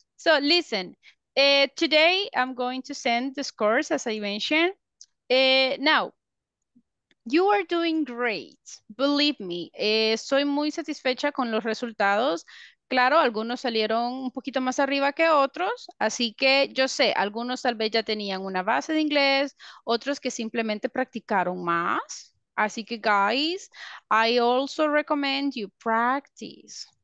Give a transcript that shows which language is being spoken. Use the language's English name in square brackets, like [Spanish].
[English] So listen, today I'm going to send the scores, as I mentioned. Now, you are doing great. Believe me, [Spanish] soy muy satisfecha con los resultados. Claro, algunos salieron un poquito más arriba que otros, así que yo sé, algunos tal vez ya tenían una base de inglés, otros que simplemente practicaron más. Así que, [English] guys, I also recommend you practice.